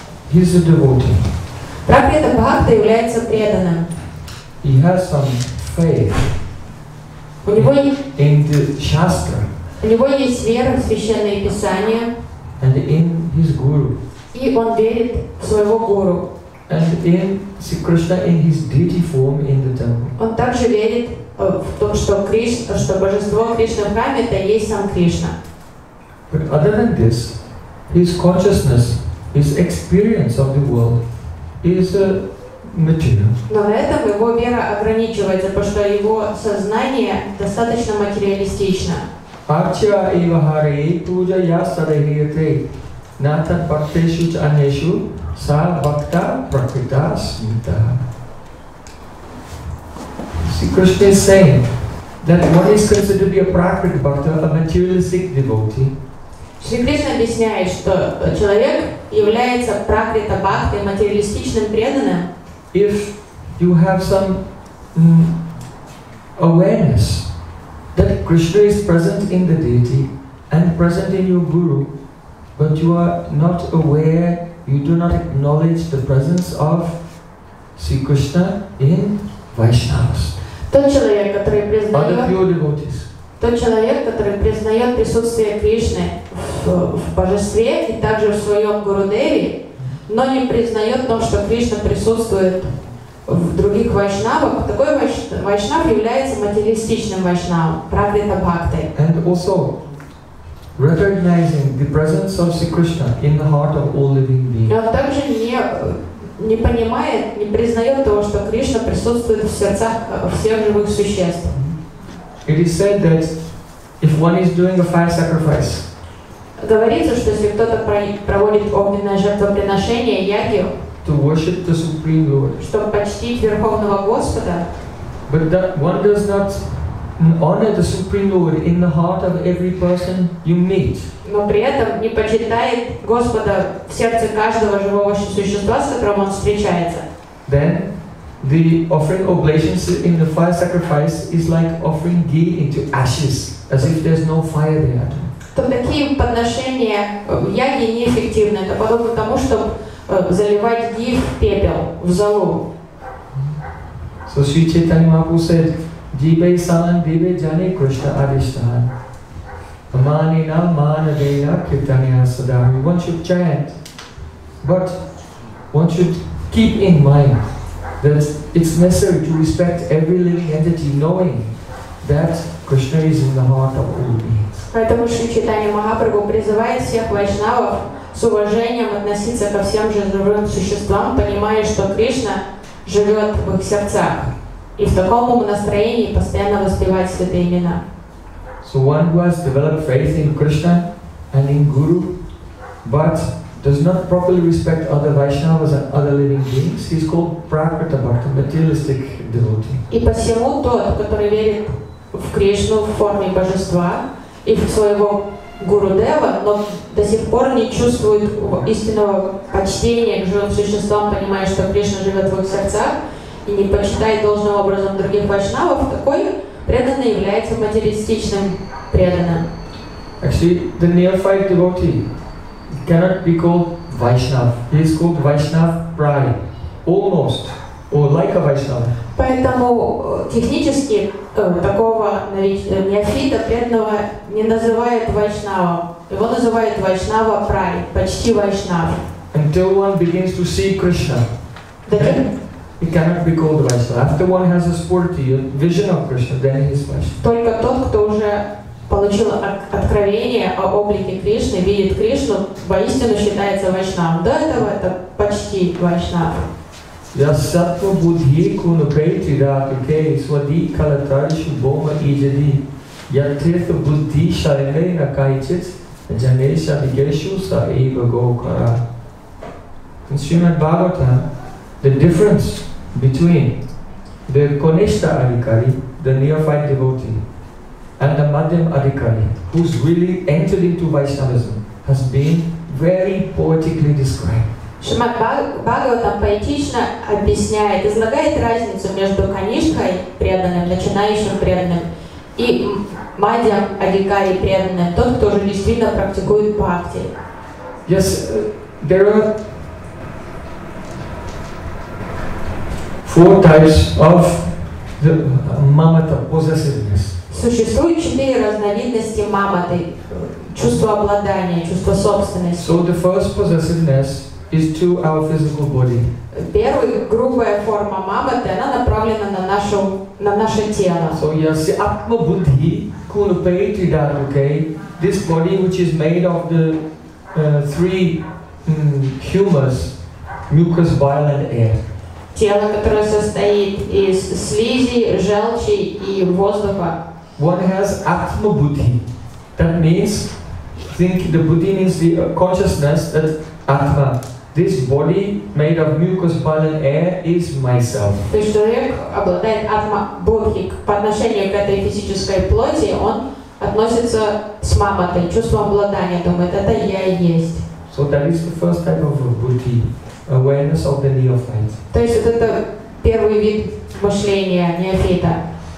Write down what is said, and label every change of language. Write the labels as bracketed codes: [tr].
[en] He is a devotee. [ru] Prakrita Bhakta является преданным. [en] He has some faith. [ru] У него [en] in the Shastra. [ru] У него есть вера в священные писания. [en] And in his guru. [ru] И он верит в своего гуру. [en] And in Sri Krishna in his deity form in the temple. [ru] Он также верит в то, что Кришна, что божество Кришна в храме, это и есть сам Кришна. [en] But other than this, his consciousness, his experience of the world is a material. [ru] Но на этом его вера ограничивается, потому что его сознание достаточно материалистично. [sa] Арча ива харе пуджа я садхиете ната бхактешу ча анешу са бхакта пракрита смита. [en] Sri Krishna is saying that what is considered to be a prakrita bhakta, a materialistic devotee. [ru] Шри Кришна объясняет, что человек является пракрита бхакта, материалистичным преданным. [en] If you have some awareness that Krishna is present in the deity and present in your guru, but you are not aware, you do not acknowledge the presence of Sri Krishna in Vaishnavas. [ru] Тот человек, который признает присутствие Кришны в Божестве и также в своем Гурудеве, но не признает то, что Кришна присутствует в других вайшнавах, такой вайшнав является материалистичным вайшнавом, пракрита бхактой. [en] And also recognizing the presence of Sri Krishna in the heart of all living beings. [ru] И он также не понимает, не признает того, что Кришна присутствует в сердцах всех живых существ. [en] It is said that if one is doing a fire sacrifice, [ru] говорится, что если кто-то проводит огненное жертвоприношение яги, [en] to worship the Supreme Lord, [ru] чтобы почтить Верховного Господа, [en] but that one does not honor the Supreme Lord in the heart of every person you meet. [ru] Но при этом не почитает Господа в сердце каждого живого существа, с которым он встречается. [en] Then, the offering oblations in the fire sacrifice is like offering ghee into ashes, as if there's no fire there. [ru] То такие подношения яги неэффективны. Это подобно тому, чтобы заливать ги в пепел, в золу. [en] So Sri Chaitanya Mahaprabhu said, [bn] Dibe san dibe jane krishna adishtan. [sa] Amani na manadeya kirtanya sadami. [en] One should chant, but one should keep in mind that it's necessary to respect every living entity, knowing that Krishna is in the heart of all beings. [ru] Поэтому Sri Chaitanya Mahaprabhu призывает всех вайшнавов с уважением относиться ко всем живым существам, понимая, что Кришна живет в их сердцах, и в таком настроении постоянно воспевать святые имена. [en] So one who has developed faith in Krishna and in Guru, but does not properly respect other Vaishnavas and other living beings, he is called Prakrita Bhakta, materialistic devotee. [ru] И посему тот, который верит в Кришну в форме Божества и в своего Гуру Дева, но до сих пор не чувствует истинного почтения к живым существам, понимая, что Кришна живет в их сердцах, и не почитает должным образом других вайшнавов, такой преданный является материалистичным преданным. [en] Actually, the neophyte devotee cannot be called Vaishnav. He is called Vaishnav Prai. Almost. Or like a Vaishnav. [ru] Поэтому технически такого неофита преданного не называют вайшнавом. Его называют вайшнава прай, почти вайшнав. [en] Until one begins to see Krishna, he cannot be called vaishnava. After one has a spurti, a vision of Krishna, then he is vaishnava. [ru] Только тот, кто уже получил откровение о облике Кришны, видит Кришну, воистину считается вайшнавом. До этого это почти вайшнав. [sa] Я сатва будхи куну прейти рапи кей свади калатаришу бома иджади я тирфа будхи шарине на кайчит джанеша бигешу са ива гокара. [en] In Srimad Bhagavatam, the difference between the Konishta Adhikari, the neophyte devotee, And the Madhyam Adhikari, who's really entered into Vaishnavism, has been very poetically described. [ru] Шримад Бхагаватам поэтично объясняет, излагает разницу между Канишкой преданным, начинающим преданным, и Мадхьям Адхикари преданным, тот, кто уже действительно практикует бхакти. [en] Yes, there are four types of the mamata, possessiveness. [ru] Существует четыре разновидности мамады, чувство обладания, чувство собственности. [en] So the first possessiveness is to our physical body. [ru] Первая грубая форма мамады, она направлена на нашу, на наше тело. [en] So yes, [sa] atma buddhi kunu paiti dar, [en] okay? This body which is made of the three humors, mucus, bile and air. [ru] Тело, которое состоит из слизи, желчи и воздуха. [en] One has atma buddhi. That means, think the buddhi means the consciousness that atma. This body made of mucus, bile, and air is myself. [ru] То есть человек обладает атма буддхи. По отношению к этой физической плоти он относится с маматой, чувством обладания, думает, это я и есть. [en] So that is the first type of buddhi, awareness of the neophyte. [ru] То есть вот это первый вид мышления неофита.